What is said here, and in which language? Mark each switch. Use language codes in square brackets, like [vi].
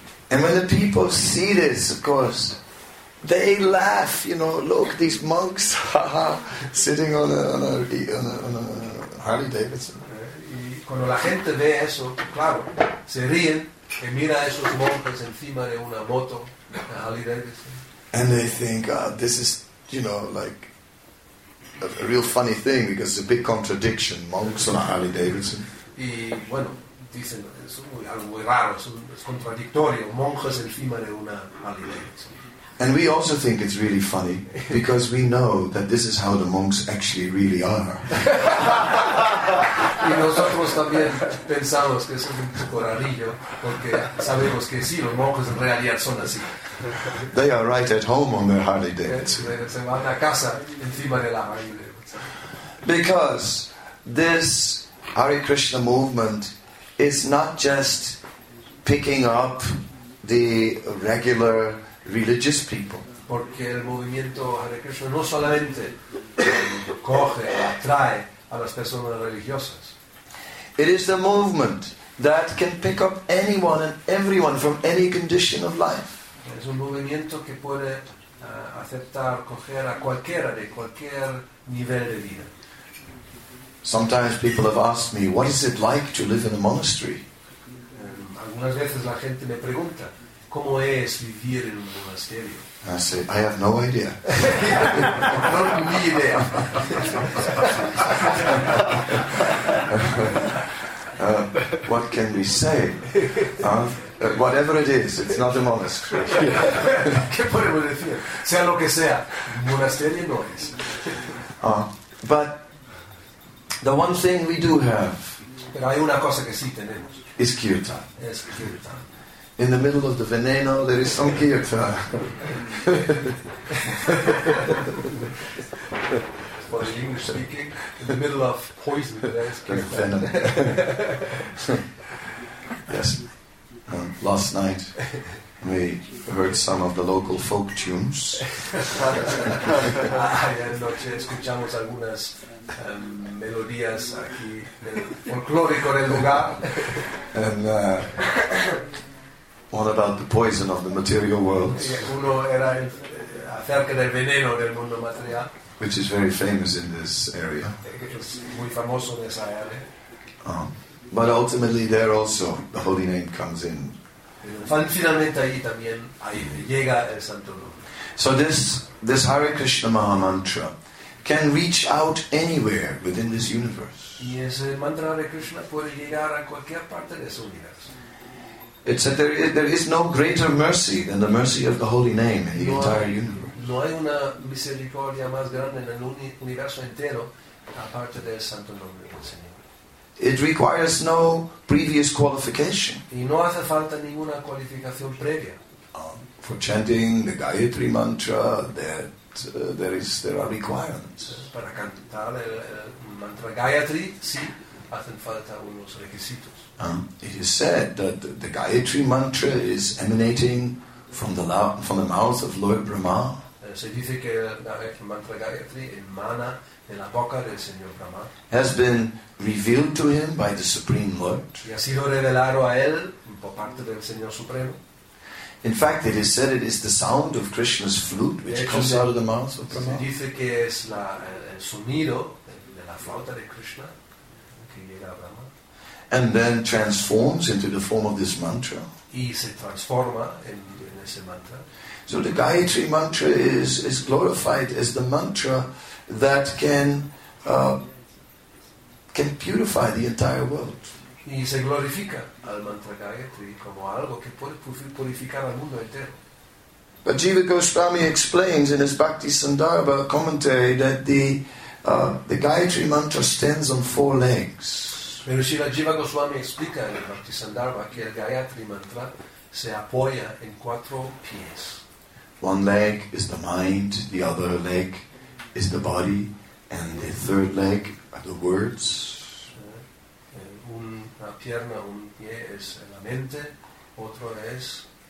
[en] And when the people see this, of course, they laugh. You know, look, these monks sitting on a Harley Davidson. [es] Y cuando la gente ve eso, claro, se ríen y mira a esos monjes encima de una moto de Harley Davidson. [en] And they think, this is, you know, like a real funny thing, because it's a big contradiction, monks on a Harley Davidson. [es] Y bueno, dicen, es algo muy raro, es contradictorio, monjes encima de una Harley Davidson. [en] And we also think it's really funny, because we know that this is how the monks actually really are. [es] Y nosotros también pensamos que es un poco rarillo, porque sabemos que sí, los monjes en realidad son así. [en] They are right at home on their Harley Davidson. [es] Se van a casa encima de la Harley Davidson. [en] Because this Hare Krishna movement is not just picking up the regular religious people. [es] Porque el movimiento Hare Krishna no solamente coge, atrae a las personas religiosas. [en] It is the movement that can pick up anyone and everyone from any condition of life. [es] Es un movimiento que puede aceptar coger a cualquiera de cualquier nivel de vida. [en] Sometimes people have asked me, what is it like to live in a monastery? [es] Algunas veces la gente me pregunta, ¿cómo es vivir en un monasterio? [en] I say, I have no idea. [es] No ni idea. [en] What can we say? Whatever it is, it's not a monastery. [es] ¿Qué podemos decir? Sea lo que sea, monasterio no es. [en] But the one thing we do have, [es] pero hay una cosa que sí tenemos, [en] is kirtan. [es] Es kirtan. [en] In the middle of the veneno, there is some kirtan. For the English speaking, in the middle of poison, there is kirtan. Yes. Last night, we heard some of the local folk tunes. [es] Anoche escuchamos algunas melodías aquí del folclórico del lugar. [en] And what about the poison of the material world? [es] Uno era acerca del veneno del mundo material. [en] Which is very famous in this area. [es] Es muy famoso en esa área. [en] But ultimately, there also the holy name comes in. [es] Finalmente ahí también llega el santo nombre. [en] So this Hare Krishna Maha Mantra can reach out anywhere within this universe. [es] Y ese mantra Hare Krishna puede llegar a cualquier parte de su universo. [en] It said there is no greater mercy than the mercy of the holy name in the entire universe. [es] No hay una misericordia más grande en el universo entero aparte del santo nombre del Señor. [en] It requires no previous qualification. [es] Y no hace falta ninguna cualificación previa. [en] For chanting the Gayatri mantra, there are requirements. [es] Para cantar el mantra Gayatri, sí, hacen falta unos requisitos. [en] It is said that the Gayatri mantra is emanating from the mouth of Lord Brahma. [es] Se dice que el mantra Gayatri emana de la boca del Señor Brahma. [en] Has been revealed to him by the Supreme Lord. [es] Y ha sido revelado a él por parte del Señor Supremo. [en] In fact, it is said it is the sound of Krishna's flute which comes out of the mouth of Brahma. [es] Se dice que es el sonido de la flauta de Krishna que llega a Brahma. [en] And then transforms into the form of this mantra. [es] Y se transforma en ese mantra. [en] So the Gayatri mantra is glorified as the mantra that can purify the entire world. [es] Y se glorifica al mantra Gayatri como algo que puede purificar al mundo entero. [en] But Jiva Goswami explains in his Bhakti Sandarbha commentary that the Gayatri mantra stands on four legs. [es] Pero si la Jiva Goswami explica en el Bhakti Sandarbha que el Gayatri mantra se apoya en cuatro pies. [en] One leg is the mind, the other leg is the body, and the third leg are the words. [es] Una pierna, un pie es la mente, otro es